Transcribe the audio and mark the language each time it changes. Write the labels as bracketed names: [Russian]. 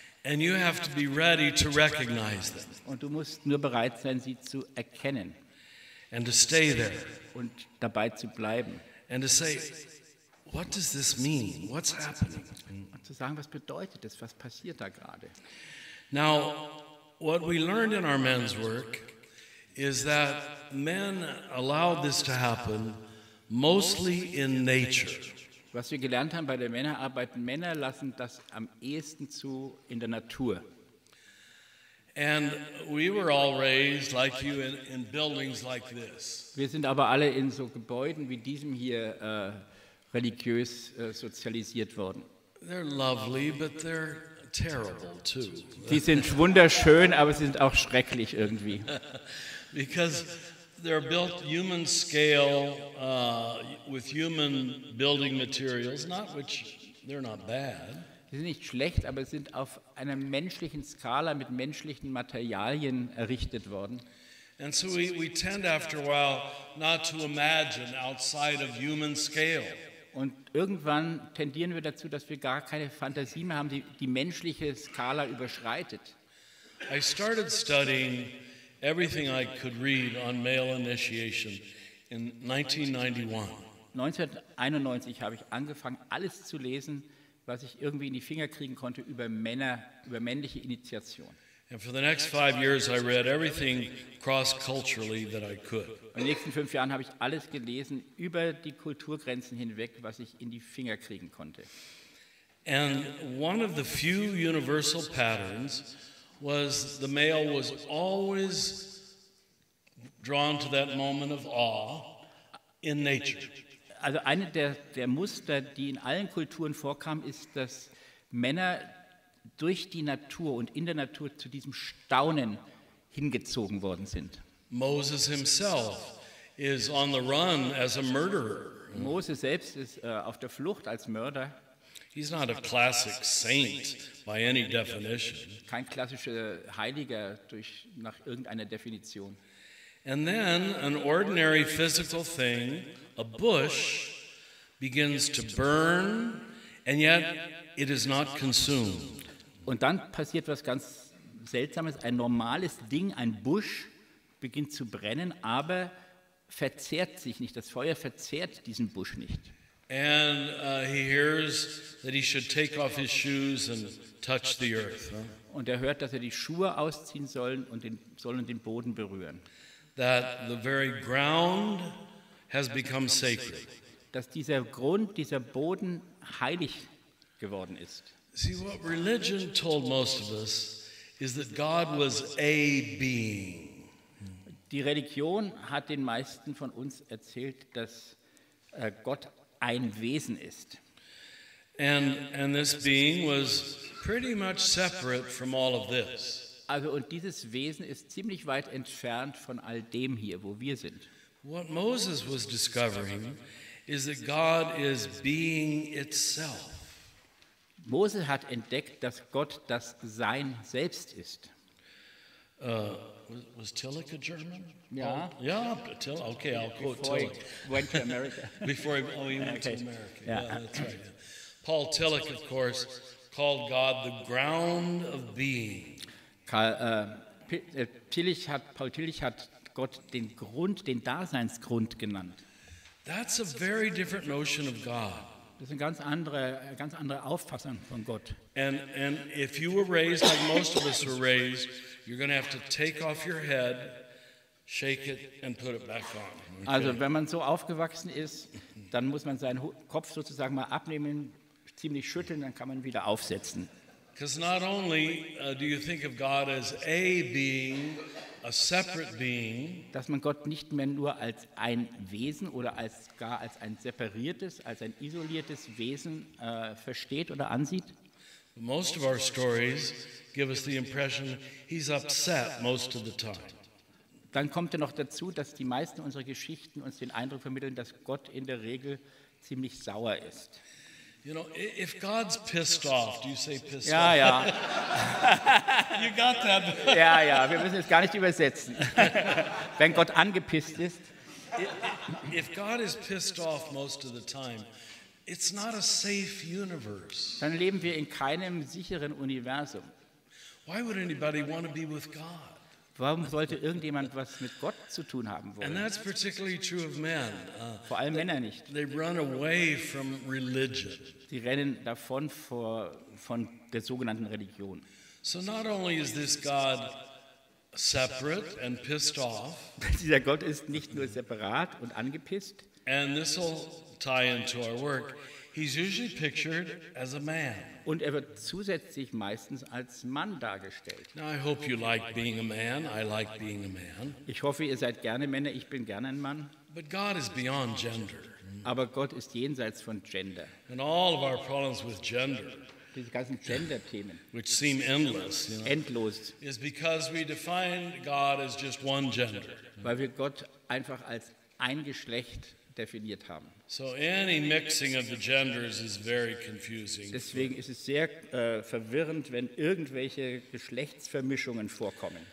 [English] And you have to be ready to recognize them. [German] Und du musst nur bereit sein, sie zu erkennen. [English] And to stay there. [German] Und dabei zu bleiben. [English] And to say, what does this mean? What's happening? [German] Und zu sagen, was bedeutet das? Was passiert da gerade? [English] Now, what we learned in our men's work is that men allowed this to happen mostly in nature. [German] Was wir gelernt haben bei der Männerarbeit, Männer lassen das am ehesten zu in der Natur. [English] And we were all raised like you in buildings like this. [German] Wir sind aber alle in so Gebäuden wie diesem hier religiös sozialisiert worden. [English] They're lovely, but they're terrible too. [German] Die sind wunderschön, aber sie sind auch schrecklich irgendwie. [English] Because they're built human scale with human building materials, not which They're not bad. [German] Sie sind nicht schlecht, aber sie sind auf einer menschlichen Skala mit menschlichen Materialien errichtet worden. [English] And so we tend after a while not to imagine outside of human scale. [German] Und irgendwann tendieren wir dazu, dass wir gar keine Fantasie mehr haben, die die menschliche Skala überschreitet. [English] I started studying everything I could read on male initiation in 1991. [German] 1991 habe ich angefangen, alles zu lesen, was ich irgendwie in die Finger kriegen konnte über Männer, über männliche Initiation. [English] And for the next 5 years, I read everything cross-culturally that I could. [German] In den nächsten 5 Jahren habe ich alles gelesen über die Kulturgrenzen hinweg, was ich in die Finger kriegen konnte. [English] And one of the few universal patterns was the male was always drawn to that moment of awe in nature. [German] Also eine der Muster, die in allen Kulturen vorkam, ist, dass Männer durch die Natur und in der Natur zu diesem Staunen hingezogen worden sind. [English] Moses himself is on the run as a murderer. [German] Moses selbst ist auf der Flucht als Mörder. [English] He's not a classic saint by any definition. [German] Kein klassischer Heiliger durch nach irgendeiner Definition. [English] And then an ordinary physical thing, a bush, begins to burn, and yet it is not consumed. [German] Und dann passiert was ganz Seltsames. Ein normales Ding, ein Busch, beginnt zu brennen, aber verzehrt sich nicht. Das Feuer verzehrt diesen Busch nicht. [English] And he hears that he should take off his shoes and touch the earth. [German] Und er hört, dass er die Schuhe ausziehen sollen und den Boden berühren. [English] That the very ground has become sacred. [German] Dass dieser Grund, dieser Boden heilig geworden ist. [English] See, what religion told most of us is that God was a being. [German] Die Religion hat den meisten von uns erzählt, dass Gott ein Wesen ist. [English] And this being was pretty much separate from all of this. [German] Also, und dieses Wesen ist ziemlich weit entfernt von all dem hier, wo wir sind. [English] What Moses was discovering is that God is being itself. [German] Mose hat entdeckt, dass Gott das Sein selbst ist. [English] Was Tillich a German? [German] Ja. [English] Ja, Tillich. Okay, I'll quote Tillich. Went to America. Before he went to America. Yeah, that's right. Paul Tillich, of course, called God the ground of being. [German] Paul Tillich hat Gott den Grund, den Daseinsgrund genannt. [English] That's a very different notion of God. [German] Das ist eine ganz andere Auffassung von Gott. [English] And if you were raised like most of us were raised, you're going to have to take off your head, shake it and put it back on. Okay? [German] Also, wenn man so aufgewachsen ist, dann muss man seinen Kopf sozusagen mal abnehmen, ziemlich schütteln, dann kann man wieder aufsetzen. [English] Because not only do you think of God as a being, a separate being, [German] dass man Gott nicht mehr nur als ein Wesen oder als gar als ein separiertes, als ein isoliertes Wesen versteht oder ansieht. [English] Most of our stories give us the impression he's upset most of the time. [German] Dann kommt er noch dazu, dass die meisten unserer Geschichten uns den Eindruck vermitteln, dass Gott in der Regel ziemlich sauer ist. [English] You know, if God's pissed off, do you say pissed [German] ja, [English] off? [German] Ja, ja. [English] You got that. [German] Ja, ja, wir müssen es gar nicht übersetzen. Wenn Gott angepisst ist. [English] If God is pissed off most of the time, it's not a safe universe. [German] Dann leben wir in keinem sicheren Universum. [English] Why would anybody want to be with God? [German] Warum sollte irgendjemand was mit Gott zu tun haben wollen? [English] And that's particularly true of men. [German] Vor allem Männer nicht. [English] They run away from religion. [German] Die rennen davon von der sogenannten Religion. [English] So not only is this God separate and pissed off. [German] Dieser Gott ist nicht nur separat und angepisst. [English] And this will tie into our work. He's usually pictured as a man. [German] Und er wird zusätzlich meistens als Mann dargestellt. [English] Now I hope you like being a man. I like being a man. [German] Ich hoffe, ihr seid gerne Männer. Ich bin gerne ein Mann. [English] But God is beyond gender. [German] Aber Gott ist jenseits von Gender. [English] And all of our problems with gender. [German] Diese ganzen Gender-Themen. [English] Which seem endless. You know, [German] endlos. [English] Is because we define God as just one gender. [German] Weil wir Gott einfach als ein Geschlecht definiert haben. [English] So any mixing of the genders is very confusing. [German] Deswegen ist es sehr verwirrend, wenn irgendwelche Geschlechtsvermischungen vorkommen.